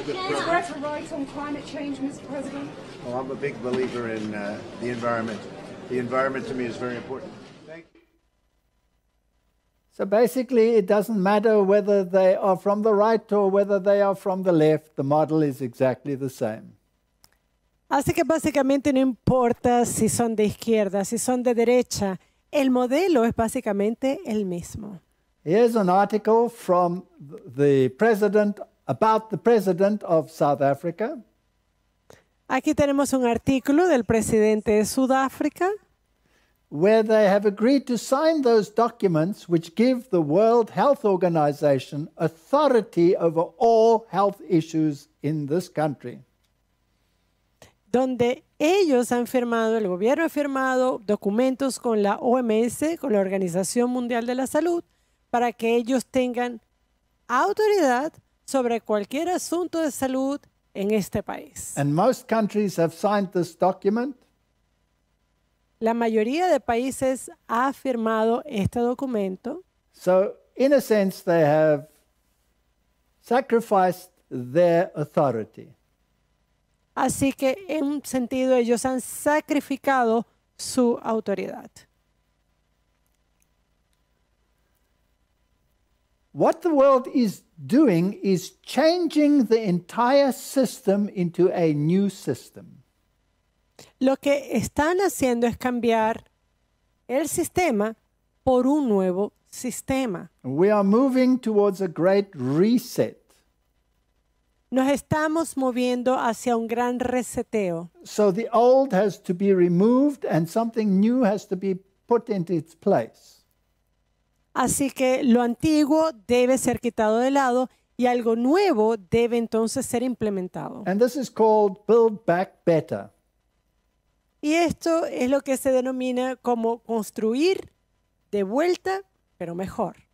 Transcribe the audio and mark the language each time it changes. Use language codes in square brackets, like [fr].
[en] Is there a right on climate change, Mr. President? Well, I'm a big believer in the environment. The environment to me is very important. Thank you. So basically, it doesn't matter whether they are from the right or whether they are from the left. The model is exactly the same. [es] Así que básicamente no importa si son de izquierda, si son de derecha. El modelo es básicamente el mismo. [en] Here's an article from the president about the president of South Africa. [es] Aquí tenemos un artículo del presidente de Sudáfrica. [en] Where they have agreed to sign those documents which give the World Health Organization authority over all health issues in this country. [es] Donde ellos han firmado, el gobierno ha firmado documentos con la OMS, con la Organización Mundial de la Salud, para que ellos tengan autoridad sobre cualquier asunto de salud en este país. [en] And most countries have signed this document. [es] La mayoría de países ha firmado este documento. [en] So, in a sense, they have sacrificed their authority. [es] Así que, en un sentido, ellos han sacrificado su autoridad. [en] What the world is doing is changing the entire system into a new system. [es] Lo que están haciendo es cambiar el sistema por un nuevo sistema. [en] We are moving towards a great reset. [es] Nos estamos moviendo hacia un gran reseteo. [en] So the old has to be removed and something new has to be put into its place. [es] Así que lo antiguo debe ser quitado de lado y algo nuevo debe entonces ser implementado. [en] And this is called build back better. [es] Y esto es lo que se denomina como construir de vuelta, pero mejor.